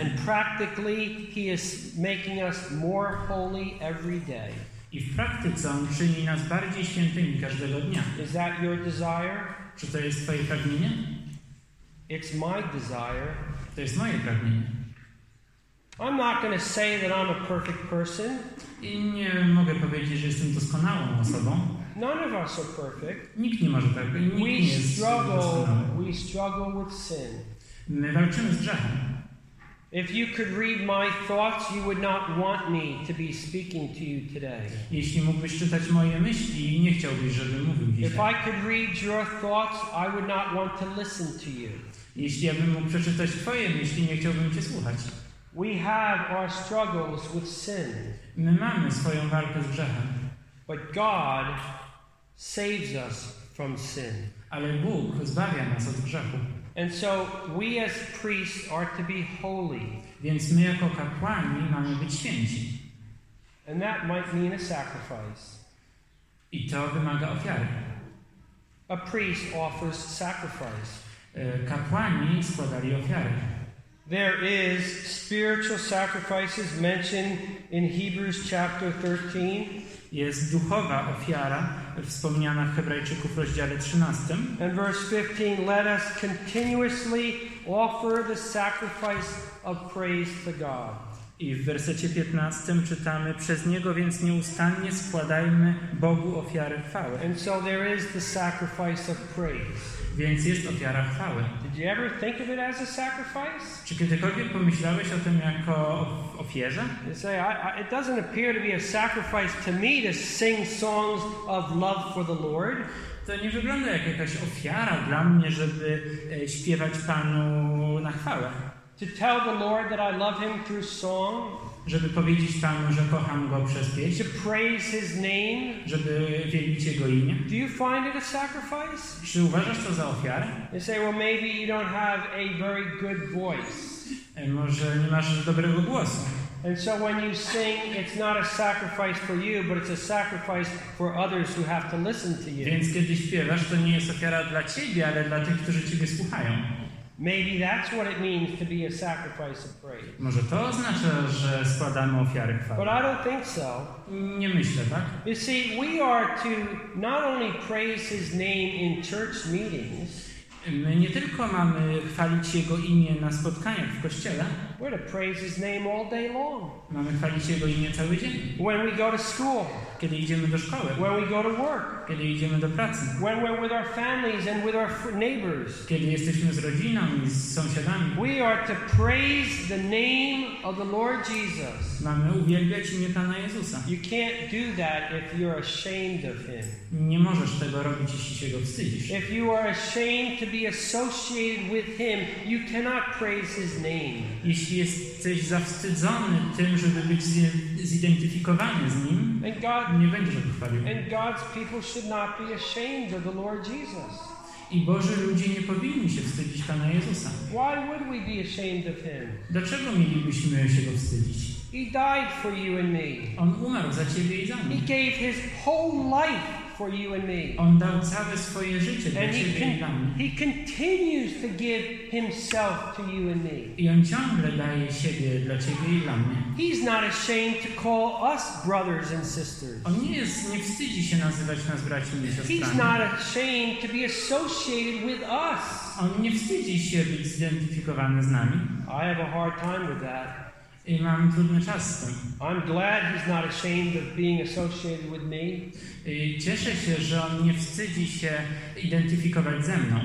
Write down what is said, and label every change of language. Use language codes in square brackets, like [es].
[en] And practically, he is making us more holy every day. [pl] I w praktyce on czyni nas bardziej świętymi każdego dnia. [en] Is that your desire? [pl] Czy to jest twoje pragnienie? [en] It's my desire. [pl] To jest moje pragnienie. [en] I'm not going to say that I'm a perfect person. [pl] I nie mogę powiedzieć, że jestem doskonałą osobą. [en] None of us are perfect. [pl] Nikt nie może tak być. [en] We struggle. We struggle with sin. [pl] My walczymy z grzechem. [en] If you could read my thoughts, you would not want me to be speaking to you today. [pl] Jeśli mógłbyś czytać moje myśli, nie chciałbyś, żebym mówił dzisiaj. [en] If I could read your thoughts, I would not want to listen to you. [pl] Jeśli ja bym mógł przeczytać twoje myśli, nie chciałbym cię słuchać. [en] We have our struggles with sin. [pl] My mamy swoją walkę z grzechem. [en] But God saves us from sin. [pl] Ale Bóg zbawia nas od grzechu. [en] And so we as priests are to be holy. [pl] Więc my jako kapłani mamy być święci. [en] And that might mean a sacrifice. [pl] I to wymaga ofiary. [en] A priest offers sacrifice. [pl] Kapłani składali ofiary. [en] There is spiritual sacrifices mentioned in Hebrews chapter 13. [pl] Jest duchowa ofiara wspomniana w Hebrajczyków rozdziale 13. [en] And verse 15, let us continuously offer the sacrifice of praise to God. [pl] I w wersecie 15 czytamy, przez Niego więc nieustannie składajmy Bogu ofiary chwały. [en] And so there is the sacrifice of praise. [pl] Więc jest ofiara chwały. [en] Did you ever think of it as a sacrifice? [pl] Czy kiedykolwiek pomyślałeś o tym jako ofierze? [en] You say, it doesn't appear to be a sacrifice to me to sing songs of love for the Lord. [pl] To nie wygląda jak jakaś ofiara dla mnie, żeby śpiewać Panu na chwałę. [en] To tell the Lord that I love him through song. [pl] Żeby powiedzieć Panu, że kocham Go przez pieśń. [en] To praise his name. [pl] Żeby wielbić Jego imię. [en] Do you find it a sacrifice? [pl] Czy uważasz to za ofiarę? [en] You say, well, maybe you don't have a very good voice. [pl] Może nie masz dobrego głosu. [en] And so when you sing, it's not a sacrifice for you, but it's a sacrifice for others who have to listen to you. [pl] Więc kiedy śpiewasz, to nie jest ofiara dla ciebie, ale dla tych, którzy ciebie słuchają. [en] Maybe that's what it means to be a sacrifice of praise. [pl] Może to oznacza, że składamy ofiary chwały. [en] But I don't think so. [pl] Nie myślę tak. [en] You see, we are to not only praise his name in church meetings. [pl] My nie tylko mamy chwalić jego imię na spotkaniach w kościele. [en] We're to praise his name all day long. [pl] Mamy chwalić jego imię cały dzień. [en] When we go to school. [pl] Kiedy idziemy do szkoły. [en] When we go to work. [pl] Kiedy idziemy do pracy. [en] When we're with our families and with our neighbors. [pl] Kiedy jesteśmy z rodziną i z sąsiadami. [en] We are to praise the name of the Lord Jesus. [pl] Mamy uwielbiać imię Pana Jezusa. [en] You can't do that if you're ashamed of him. [pl] Nie możesz tego robić, jeśli się go wstydzisz. [en] If you are ashamed to be associated with him, you cannot praise his name. [pl] Jeśli jesteś zawstydzony tym, żeby być zidentyfikowany z nim, nie będziesz go chwalił. [en] And God's people should not be ashamed of the Lord Jesus. [pl] I Boży ludzie nie powinni się wstydzić Pana Jezusa. [en] Why would we be ashamed of him? [pl] Dlaczego mielibyśmy się go wstydzić? [en] He died for you and me. [pl] On umarł za ciebie i za mnie. [en] He gave his whole life for you and me. [pl] On dał całe swoje życie dla ciebie i dla mnie. [en] He continues to give himself to you and me. [pl] I on ciągle daje siebie dla ciebie i dla mnie. [en] He's not ashamed to call us brothers and sisters. [pl] On nie wstydzi się nazywać nas braćmi i siostrami. [en] He's not ashamed to be associated with us. [pl] On nie wstydzi się być zidentyfikowany z nami. [en] I have a hard time with that. [pl] I mam trudny czas z tym. [en] I'm glad he's not ashamed of being associated with me. [pl] I cieszę się, że on nie wstydzi się identyfikować ze mną.